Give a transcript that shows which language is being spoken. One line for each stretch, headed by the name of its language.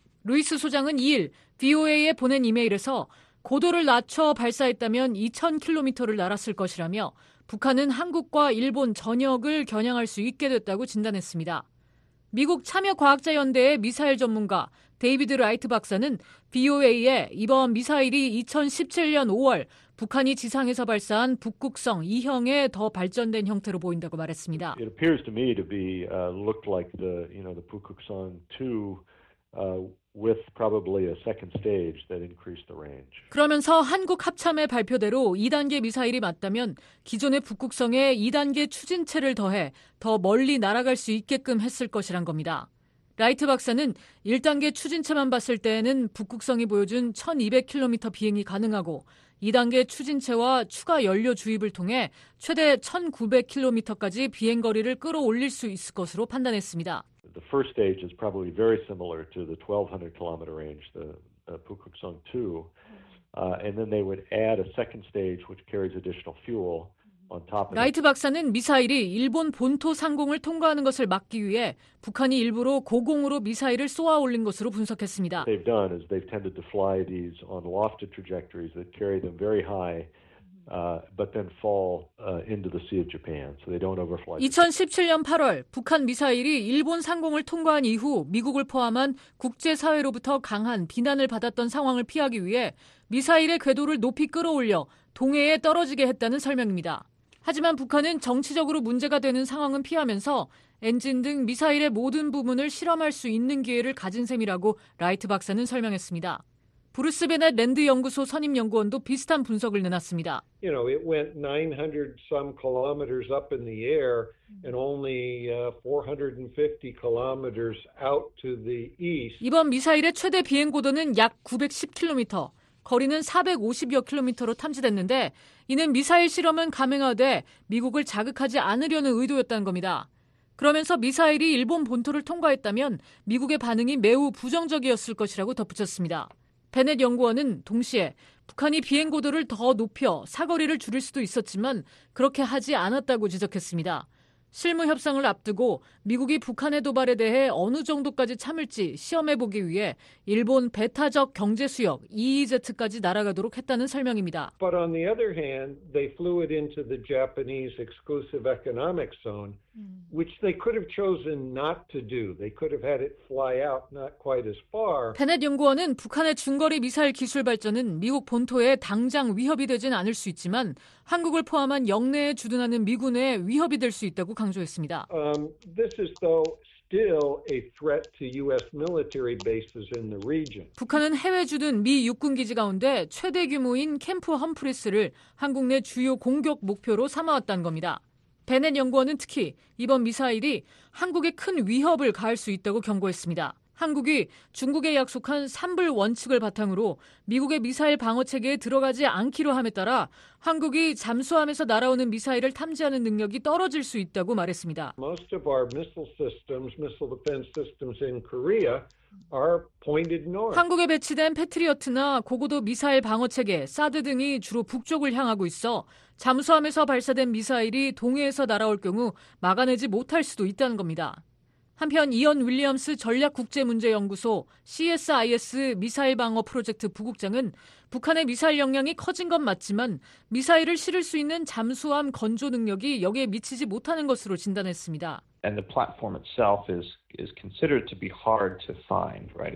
Korean: 루이스 소장은 2일 VOA에 보낸 이메일에서 고도를 낮춰 발사했다면 2,000km를 날았을 것이라며 북한은 한국과 일본 전역을 겨냥할 수 있게 됐다고 진단했습니다. 미국 참여과학자연대의 미사일 전문가 데이비드 라이트 박사는 VOA에 이번 미사일이 2017년 5월 북한이 지상에서 발사한 북극성 2형의 더 발전된 형태로 보인다고 말했습니다.
English: It appears to me to be looked like the, you know, the Bukguksong 2 with probably a second stage that increased the range.
Korean: 그러면서 한국 합참의 발표대로 2단계 미사일이 맞다면 기존의 북극성에 2단계 추진체를 더해 더 멀리 날아갈 수 있게끔 했을 것이란 겁니다. 라이트 박사는 1단계 추진체만 봤을 때에는 북극성이 보여준 1200km 비행이 가능하고 2단계 추진체와 추가 연료 주입을 통해 최대 1900km까지 비행 거리를 끌어올릴 수 있을 것으로 판단했습니다.
English: The first stage is probably very similar to the 1200 km range, the Bukguksong 2. And then they would add a second stage which carries additional fuel.
Korean: 라이트 박사는 미사일이 일본 본토 상공을 통과하는 것을 막기 위해 북한이 일부러 고공으로 미사일을 쏘아 올린 것으로 분석했습니다. 2017년 8월 북한 미사일이 일본 상공을 통과한 이후 미국을 포함한 국제사회로부터 강한 비난을 받았던 상황을 피하기 위해 미사일의 궤도를 높이 끌어올려 동해에 떨어지게 했다는 설명입니다. 하지만 북한은 정치적으로 문제가 되는 상황은 피하면서 엔진 등 미사일의 모든 부분을 실험할 수 있는 기회를 가진 셈이라고 라이트 박사는 설명했습니다. 브루스 베넷 랜드 연구소 선임 연구원도 비슷한 분석을 내놨습니다.
English: You know, it went 900 some kilometers up in the air and only 450 kilometers out to the east.
Korean: 이번 미사일의 최대 비행 고도는 약 910km. 거리는 450여 킬로미터로 탐지됐는데 이는 미사일 실험은 감행하되 미국을 자극하지 않으려는 의도였다는 겁니다. 그러면서 미사일이 일본 본토를 통과했다면 미국의 반응이 매우 부정적이었을 것이라고 덧붙였습니다. 베넷 연구원은 동시에 북한이 비행 고도를 더 높여 사거리를 줄일 수도 있었지만 그렇게 하지 않았다고 지적했습니다. 실무 협상을 앞두고 미국이 북한의 도발에 대해 어느 정도까지 참을지 시험해보기 위해 일본 배타적 경제수역 EEZ까지 날아가도록 했다는 설명입니다.
English: But on the other hand, they flew it into the Japanese exclusive economic zone, which they could have chosen not to do. They could have had it fly out not quite as far.
Korean: 베넷 연구원은 북한의 중거리 미사일 기술 발전은 미국 본토에 당장 위협이 되진 않을 수 있지만 한국을 포함한 영내에 주둔하는 미군에 위협이 될 수 있다고 강조했습니다.
English: This is though still a threat to US military bases in the region.
Korean: 북한은 해외 주둔 미 육군 기지 가운데 최대 규모인 캠프 험프리스를 한국 내 주요 공격 목표로 삼아왔다는 겁니다. 베넷 연구원은 특히 이번 미사일이 한국에 큰 위협을 가할 수 있다고 경고했습니다. 한국이 중국에 약속한 3불 원칙을 바탕으로 미국의 미사일 방어 체계에 들어가지 않기로 함에 따라 한국이 잠수함에서 날아오는 미사일을 탐지하는 능력이 떨어질 수 있다고 말했습니다.
English: Most of our missile systems, missile defense systems in Korea are pointed north.
Korean: 한국에 배치된 패트리어트나 고고도 미사일 방어 체계, 사드 등이 주로 북쪽을 향하고 있어 잠수함에서 발사된 미사일이 동해에서 날아올 경우 막아내지 못할 수도 있다는 겁니다. 한편 이언 윌리엄스 전략국제문제연구소 CSIS 미사일 방어 프로젝트 부국장은 북한의 미사일 역량이 커진 건 맞지만 미사일을 실을 수 있는 잠수함 건조 능력이 여기에 미치지 못하는 것으로 진단했습니다.
English: And the platform itself is considered to be hard to find, right?